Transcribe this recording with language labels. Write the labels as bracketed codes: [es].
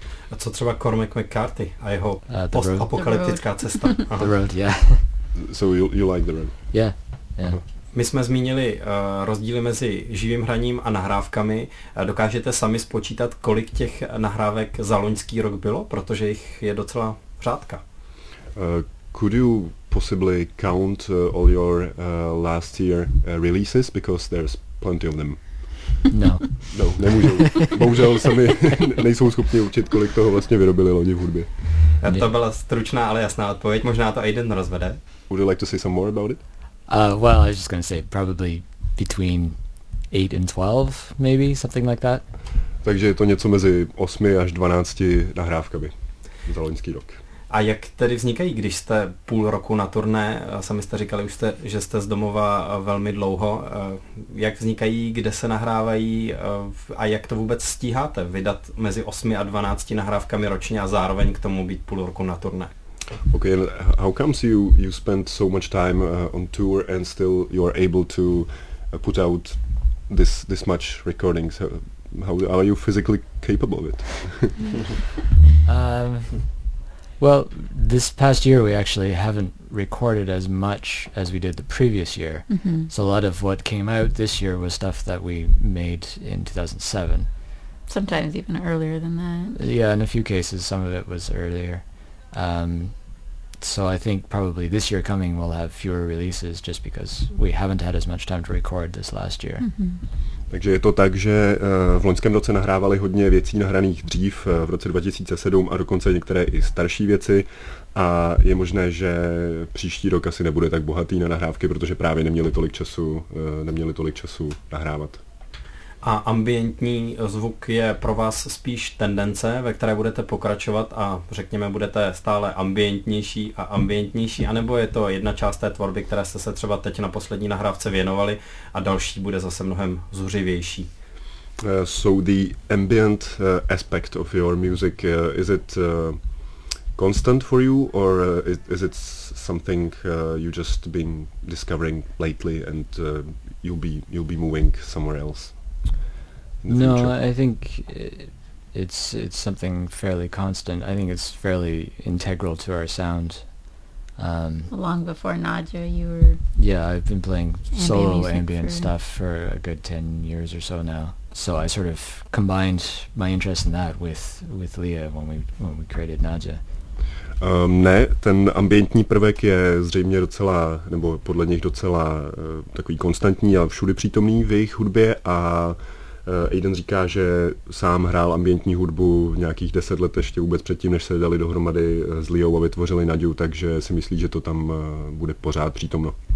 [cs] A co třeba Cormac McCarthy a jeho postapokalyptická cesta? [en] The Road, yeah. So you like The Road? Yeah. [cs] My jsme zmínili rozdíly mezi živým hraním a nahrávkami. Dokážete sami spočítat, kolik těch nahrávek za loňský rok bylo? Protože jich je docela řádka. [en] Could you possibly count all your last year releases? Because there's plenty of them. No. [cs] No, nemůžu. Bohužel sami nejsou schopni učit, kolik toho vlastně vyrobili loni v hudbě. To byla stručná, ale jasná odpověď. Možná to Aiden rozvede. [en] Would you like to say some more about it? Well, I was just going to say probably between 8 and 12, maybe, something like that. [cs] Takže je to něco mezi 8 až 12 nahrávkami za loňský rok. A jak tedy vznikají, když jste půl roku na turné? Sami jste říkali, už jste, že jste z domova velmi dlouho. Jak vznikají, kde se nahrávají a jak to vůbec stíháte? Vydat mezi 8 a 12 nahrávkami ročně a zároveň k tomu být půl roku na turné? [en] Okay, and how comes you spend so much time on tour and still you are able to put out this much recordings? How are you physically capable of it? Well, this past year we actually haven't recorded as much as we did the previous year. Mm-hmm. So a lot of what came out this year was stuff that we made in 2007. Sometimes even earlier than that. Yeah, in a few cases some of it was earlier. So I think probably this year coming we'll have fewer releases just because we haven't had as much time to record this last year. Mm-hmm. [cs] Takže je to tak, že v loňském roce nahrávali hodně věcí nahraných dřív v roce 2007 a dokonce některé i starší věci a je možné, že příští rok asi nebude tak bohatý na nahrávky, protože právě neměli tolik času nahrávat. A ambientní zvuk je pro vás spíš tendence, ve které budete pokračovat a řekněme, budete stále ambientnější a ambientnější, anebo je to jedna část té tvorby, které jste se třeba teď na poslední nahrávce věnovali a další bude zase mnohem zuřivější? [en] So the ambient aspect of your music, is it constant for you or is it something you just been discovering lately and you'll be moving somewhere else? No, I think it's something fairly constant. I think it's fairly integral to our sound. Long before Nadja, you were... Yeah, I've been playing solo ambient stuff for a good 10 years or so now. So I sort of combined my interest in that with Leah when we created Nadja. [cs] Ne, ten ambientní prvek je zřejmě docela, nebo podle nich docela takový konstantní a všude přítomný v jejich hudbě a Aiden říká, že sám hrál ambientní hudbu v nějakých 10 let ještě vůbec předtím, než se dali dohromady s Liou a vytvořili Nadiu, takže si myslí, že to tam bude pořád přítomno.